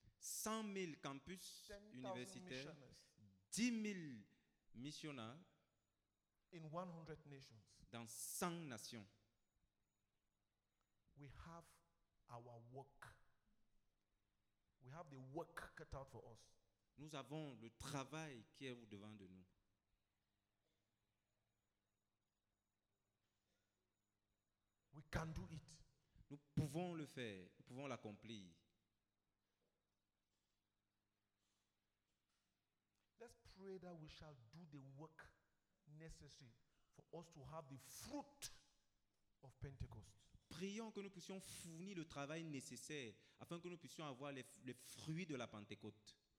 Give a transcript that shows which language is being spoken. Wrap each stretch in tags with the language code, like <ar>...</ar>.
<fr>100,000 campus universitaires. 10,000 missionnaires.</fr> <en>In 100 nations.</en> <fr>Dans 100 nations.</fr> <en>We have our work. We have the work cut out for us.</en> <fr>Nous avons le travail qui est devant de nous.</fr> <en>We can do it.</en> <fr>Nous pouvons le faire, nous pouvons l'accomplir.</fr> <en>Let's pray that we shall do the work necessary for us to have the fruit of Pentecost.</en> <fr>Prions que nous puissions fournir le travail nécessaire afin que nous puissions avoir les fruits de la Pentecôte.</fr>